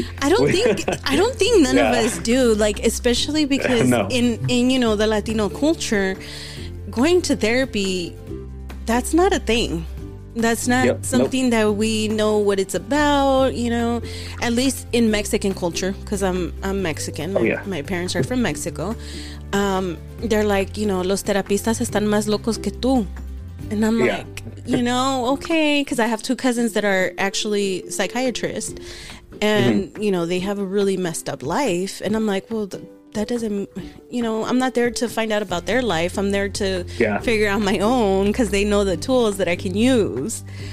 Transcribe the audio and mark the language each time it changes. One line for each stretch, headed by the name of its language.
English: I don't think none of us do. Like, especially because in you know, the Latino culture, going to therapy, that's not a thing. That's not something that we know what it's about, you know, at least in Mexican culture, because I'm Mexican. My parents are from Mexico. They're like, you know,
Spanish: los terapistas están más locos que tú.
English: And I'm like, you know, okay, because I have two cousins that are actually psychiatrists and, you know, they have a really messed up life. And I'm like, well, that doesn't, you know, I'm not there to find out about their life. I'm there to figure out my own, because they know the tools that I can use.